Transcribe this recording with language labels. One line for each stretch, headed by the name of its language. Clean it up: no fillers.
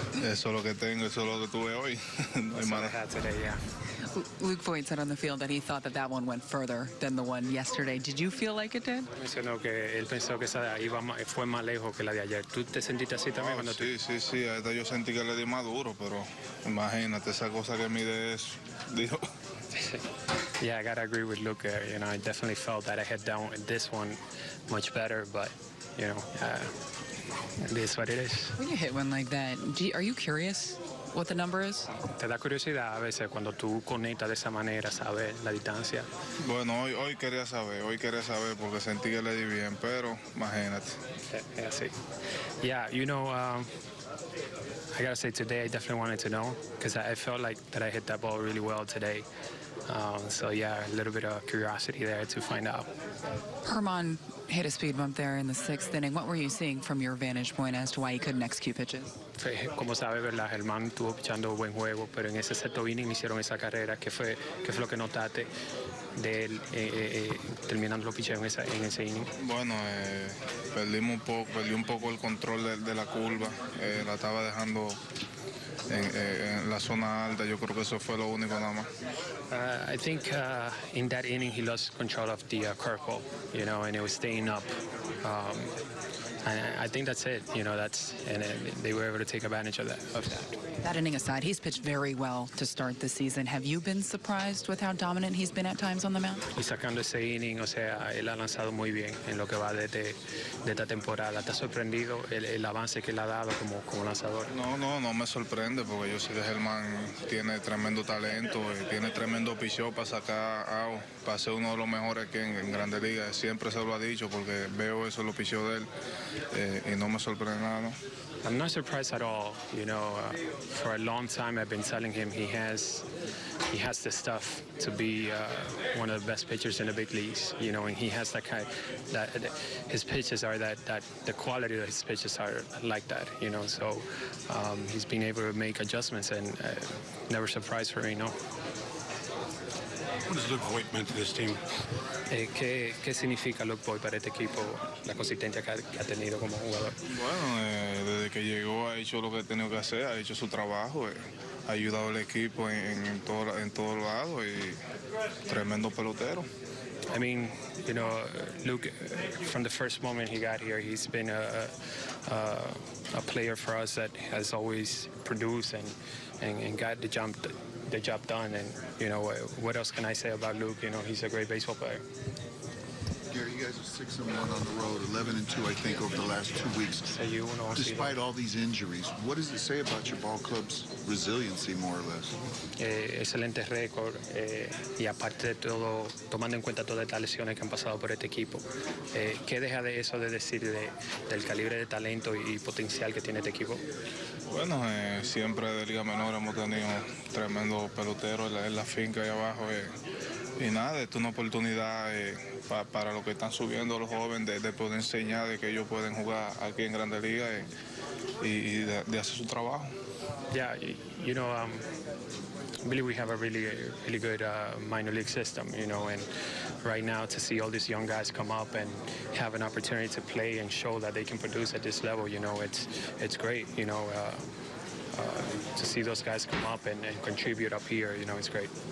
Spanish: Eso es lo que tengo, eso es lo que tuve hoy.
English: That's all I had today, yeah. Luke Voigt said on the field that he thought that one went further than the one yesterday. Did you feel like it did?
Spanish: Mencionó que él pensó que esa iba fue más lejos que la de ayer. ¿Tú te sentiste así también cuando tú? Sí. A esta yo sentí que le di más duro, pero imagínate esa cosa que mide es, dijo.
English: Yeah, I gotta agree with Luke. You know, I definitely felt that I had down this one much better, but you know, it is what it is. When you hit one like that, are you curious what the number is?
Spanish: Te da curiosidad a veces cuando tú conectas de esa manera, sabes la distancia. Bueno, hoy quería saber porque sentí que le di bien, pero imagínate.
English: Yeah, see. Yeah, you know, I gotta say today I definitely wanted to know because I felt like that I hit that ball really well today. So yeah, a little bit of curiosity there to find out. Herman hit a speed bump there in the sixth inning. What were you seeing from your vantage point as to why he couldn't execute pitches?
Spanish: Como sabes, verdad, Herman estuvo pichando buen juego, pero en ese sexto inning hicieron esa carrera. ¿Qué fue lo que notaste de él terminando los picheos en ese inning? Bueno, perdí un poco el control de la curva. La estaba dejando en la zona alta. Yo creo que eso fue lo único nada más.
English: I think in that inning he lost control of the curveball, you know, and it was staying up. And I think that's it, you know, they were able to take advantage of that. That inning aside, he's pitched very well to start the season. Have you been surprised with how dominant he's been at times on the mound?
Spanish: Y sacando ese inning, o sea, él ha lanzado muy bien en lo que va de esta temporada. ¿Te ha sorprendido el avance que él ha dado como lanzador? No me sorprende porque yo sé que Germán tiene tremendo talento y tiene tremendo picheo para sacar out, para ser uno de los mejores aquí en Grandes Ligas. Siempre se lo ha dicho porque veo eso, los picheos de él, y no me sorprende nada, ¿no?
English: I'm not surprised at all. You know, for a long time I've been telling him he has the stuff to be one of the best pitchers in the big leagues. You know, and he has that kind of, that his pitches are that the quality of his pitches are like that. You know, so he's been able to make adjustments and never surprised for me. No. What does Luke Voigt mean to this team?
Spanish: ¿Qué significa Luke Voigt para este equipo, la consistencia que ha tenido como jugador? Bueno, desde que llegó ha hecho lo que ha tenido que hacer, ha hecho su trabajo, ha ayudado al equipo en todo lado y tremendo pelotero.
English: I mean, you know, Luke, from the first moment he got here, he's been a player for us that has always produced and got the job done, and you know what else can I say about Luke? You know, he's a great baseball player. Gary, you guys are 6-1 on the road, 11-2, I think, over the last 2 weeks. Despite all these injuries, what does it say about your ball club's resiliency, more or less?
Spanish: Excelente récord, y aparte de todo, tomando en cuenta todas las lesiones que han pasado por este equipo, ¿qué deja de eso de decir del calibre de talento y potencial que tiene este equipo? Bueno, siempre de Liga Menor hemos tenido tremendo pelotero en la finca ahí abajo, y nada, esto es una oportunidad para los que están subiendo, los jóvenes, de poder enseñar de que ellos pueden jugar aquí en Grandes Ligas y de hacer su trabajo.
English: Yeah, you know, I believe we have a really, really good minor league system, you know, and right now to see all these young guys come up and have an opportunity to play and show that they can produce at this level, you know, it's great, you know, to see those guys come up and contribute up here, you know, it's great.